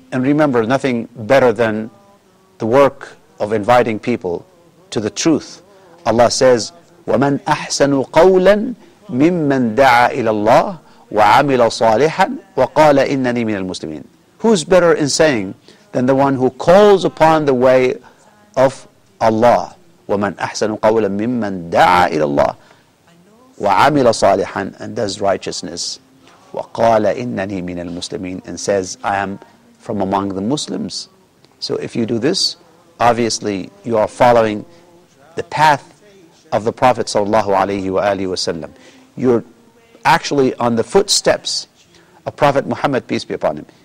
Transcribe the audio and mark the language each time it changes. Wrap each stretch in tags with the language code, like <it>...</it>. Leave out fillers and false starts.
<en>And remember, nothing better than the work of inviting people to the truth. Allah says,</en> <ar>وَمَنْ أَحْسَنُ قَوْلًا مِمَّنْ دَعَى إِلَى اللَّهِ وَعَمِلَ صَالِحًا وَقَالَ إِنَّنِي مِنَ الْمُسْلِمِينَ</ar> <en>Who's better in saying than the one who calls upon the way of Allah?</en> <ar>وَمَنْ أَحْسَنُ قَوْلًا مِمَّنْ دَعَى إِلَى اللَّهِ وَعَمِلَ صَالِحًا</ar> <en>and does righteousness.</en> <ar>وَقَالَ إِنَّنِي مِنَ الْمُسْلِمِينَ</ar> <en>and says, I am from among the Muslims. So if you do this, obviously you are following the path of the Prophet sallallahu alayhi wa alihi wasallam. You're actually on the footsteps of Prophet Muhammad, peace be upon him.</en>